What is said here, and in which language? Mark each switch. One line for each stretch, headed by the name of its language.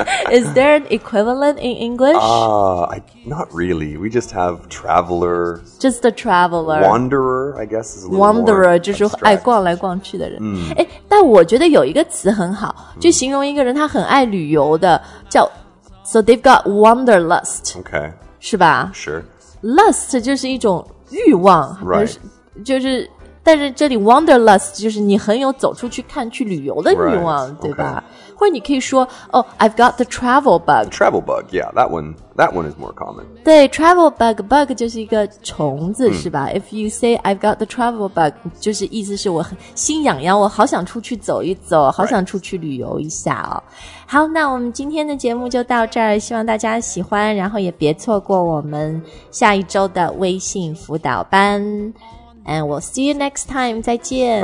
English: Is there an equivalent in English? Not really. We just have traveler. Just a traveler. Wanderer, I guess, is a little more
Chinese: Wanderer, 就是爱逛来逛去的人。但我觉得有一个词很好，就形容一个人他很爱旅游的，叫
English: So they've got wanderlust. Okay.
Chinese: 是吧？
English: Sure.
Chinese: Lust 就是一种欲望。
English: Right.
Chinese: 就是但是这里 wanderlust 就是你很有走出去看去旅游的欲望、
English: right.
Chinese: 对吧、
English: okay.
Chinese: 或者你可以说
English: Oh, I've got the travel bug. The travel bug, yeah, that one is more common.
Chinese: 对 travel bug 就是一个虫子、是吧。
English: If you say I've got the travel bug,
Chinese: 就是意思是我很心痒痒，我好想出去走一走，好想出去旅游一下哦。
English: right.
Chinese: 好，那我们今天的节目就到这儿，希望大家喜欢，然后也别错过我们下一周的微信辅导班。
English: And we'll see you next time.
Chinese: 再见。